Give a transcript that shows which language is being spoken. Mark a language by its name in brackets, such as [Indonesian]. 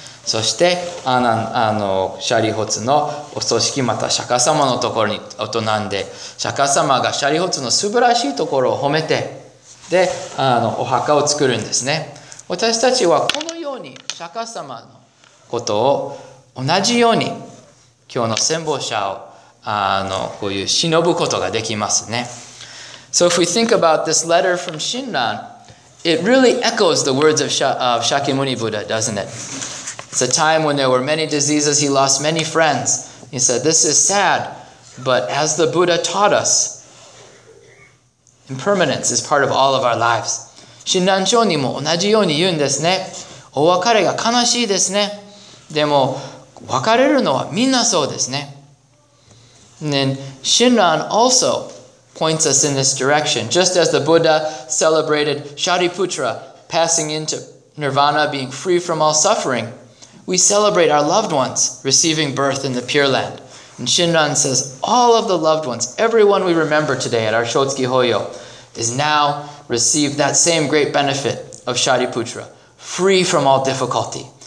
[Japanese] そしてシャリホツのお葬式、また釈迦様のところに営んで、釈迦様がシャリホツの素晴らしいところを褒めて、でお墓を作るんですね。私たちはこのように釈迦様のことを同じように今日の先方者をこういう忍ぶことができますね。 [English] So if we think about this letter from Shinran, it really echoes the words of Shakyamuni Buddha, doesn't it? It's a time when there were many diseases. He lost many friends. He said, this is sad, but as the Buddha taught us, impermanence is part of all of our lives. [Japanese] 親鸞聴にも同じように言うんですね。お別れが悲しいですね。でも別れるのはみんなそうですね。 [English] And then 親鸞 also points us in this direction. Just as the Buddha celebrated Shariputra, passing into Nirvana, being free from all suffering, we celebrate our loved ones receiving birth in the Pure Land. And 親鸞 says, all of the loved ones, everyone we remember today at our Shotsuki Hoyo, is now received that same great benefit of Shariputra, free from all difficulty.